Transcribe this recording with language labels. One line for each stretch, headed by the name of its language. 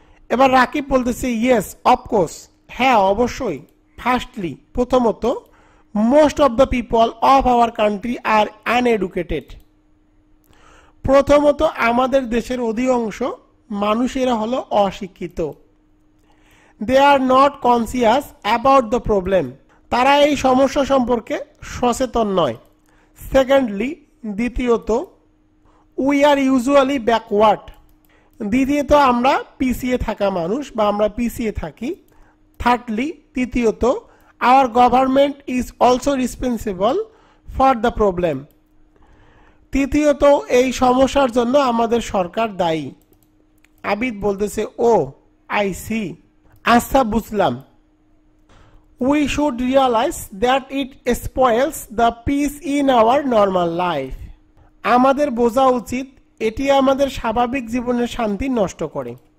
Bangla: এবার রাকিব বলতেছে
English: yes of course,
Bangla: হ্যাঁ অবশ্যই।
English: firstly, প্রথমত most of the people of our country are uneducated,
Bangla: প্রথমত আমাদের দেশের অধিকাংশ মানুষেরা হলো অশিক্ষিত।
English: they are not conscious about the problem.
Bangla: তারা এই সমস্যা সম্পর্কে সচেতন নয়।
English: Secondly, দ্বিতীয়ত, we are usually backward.
Bangla: দ্বিতীয়ত আমরা পিছিয়ে থাকা মানুষ বা আমরা পিছিয়ে থাকি।
English: Thirdly, তৃতীয়ত, our government is also responsible for the problem.
Bangla: তৃতীয়ত এই সমস্যার জন্য আমাদের সরকার দায়ী। আবিদ বলতেছে
English: oh I see
Bangla: আচ্ছা বুঝলাম
English: we should realise that it spoils the peace in our normal life
Bangla: আমাদের বোঝা উচিত এটি আমাদের স্বাভাবিক জীবনের শান্তি নষ্ট করে